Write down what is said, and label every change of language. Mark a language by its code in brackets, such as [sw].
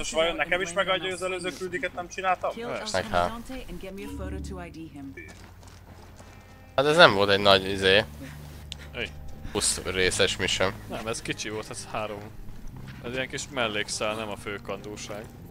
[hu] Ez vajon nekem is megadja az előző küldiket, nem csináltam? [en] Comandante and get me a photo to ID him. [hu] Hát ez nem volt egy nagy izé. Plusz részes mission. Nem, ez kicsi volt, ez három. Ez ilyen kis mellékszál, nem a fő kandúság.